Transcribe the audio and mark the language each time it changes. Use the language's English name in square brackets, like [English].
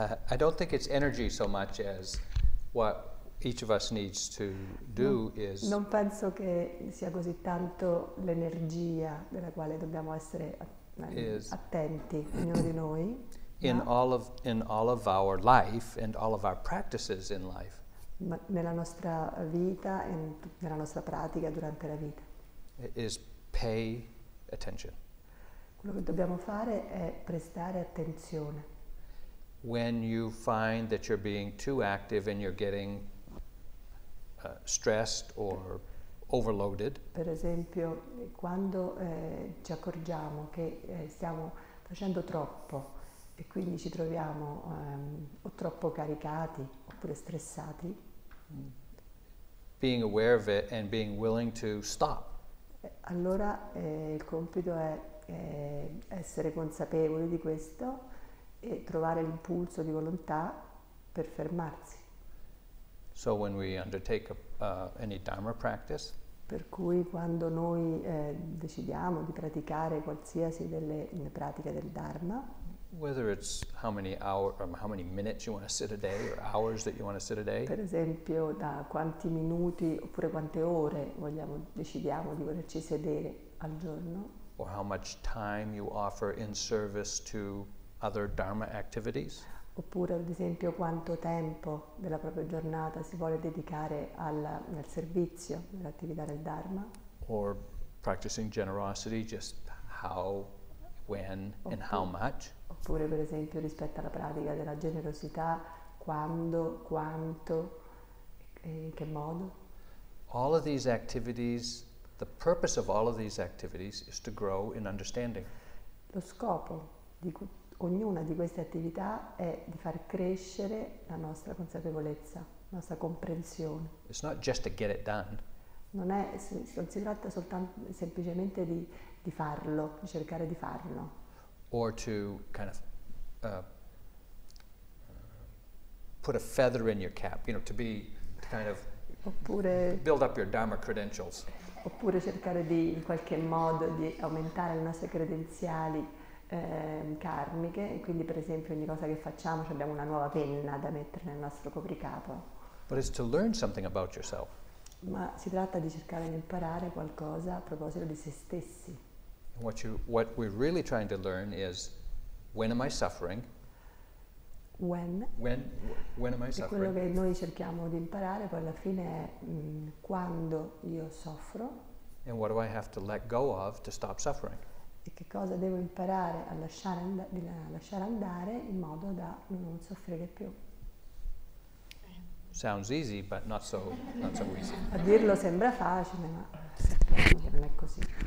[English] I don't think it's energy so much as what each of us needs to do is. [Italian] Non penso che sia così tanto l'energia della quale dobbiamo essere attenti ognuno di noi. [English] In all of our life and all of our practices in life. [Italian] Ma nella nostra vita e nella nostra pratica durante la vita. [English] Is pay attention. [Italian] Quello che dobbiamo fare è prestare attenzione. [English] When you find that you're being too active and you're getting stressed or overloaded. [Italian] Per esempio, quando ci accorgiamo che stiamo facendo troppo e quindi ci troviamo o troppo caricati oppure stressati. [English] Being aware of it and being willing to stop. [Italian] Allora il compito è essere consapevoli di questo e trovare l'impulso di volontà per fermarsi. [English] So when we undertake any dharma practice, [Italian] per cui quando noi decidiamo di praticare qualsiasi delle pratiche del dharma, [English] whether it's how many hours or how many minutes you want to sit a day or hours that you want to sit a day, [Italian] per esempio da quanti minuti oppure quante ore vogliamo decidiamo di volerci sedere al giorno, [English] or how much time you offer in service to other dharma activities, [Italian] oppure ad esempio quanto tempo della propria giornata si vuole dedicare al servizio nell'attività del dharma, [English] or practicing generosity, just how, when and how much. [Italian] Oppure, per esempio, rispetto alla pratica della generosità, quando, quanto, in che modo. [English] All of these activities, the purpose of all of these activities is to grow in understanding. [Italian] Lo scopo di ognuna di queste attività è di far crescere la nostra consapevolezza, la nostra comprensione. [English] It's not just to get it done. [Italian] Non si tratta soltanto semplicemente di farlo, di cercare di farlo. [English] Or to kind of put a feather in your cap, you know, to be to kind of [Italian] oppure, [English] build up your dharma credentials. [Italian] Oppure cercare di in qualche modo di aumentare le nostre credenziali karmiche. E quindi, per esempio, ogni cosa che facciamo, abbiamo una nuova penna da mettere nel nostro copricapo. [English] But it's to learn something about yourself. [Italian] Ma si tratta di cercare di imparare qualcosa a proposito di se stessi. [English] What we're really trying to learn is when am I suffering? When am I suffering? [Italian] E quello che noi cerchiamo di imparare poi alla fine è quando io soffro. [English] And what do I have to let go of to stop suffering? [Italian] E che cosa devo imparare a lasciare andare in modo da non soffrire più. [English] Sounds easy, but not so easy. [Italian] A dirlo sembra facile, ma non è così.